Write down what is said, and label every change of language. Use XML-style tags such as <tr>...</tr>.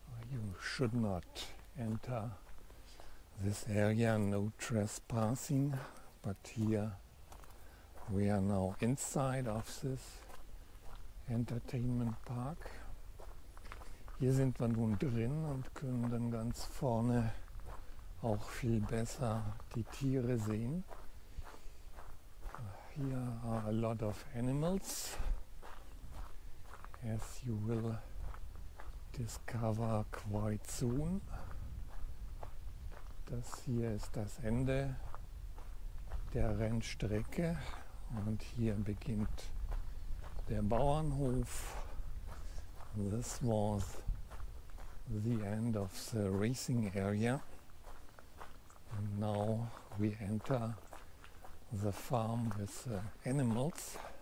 <en>You should not enter this area, no trespassing. But here we are now inside of this entertainment park.</en> <de>Hier sind wir nun drin und können dann ganz vorne auch viel besser die Tiere sehen.</de> <en>Here are a lot of animals, as you will discover quite soon.</en> <de>Das hier ist das Ende der Rennstrecke und hier beginnt der Bauernhof.</de> <en>This was the end of the racing area. And now we enter the farm with the animals.</en>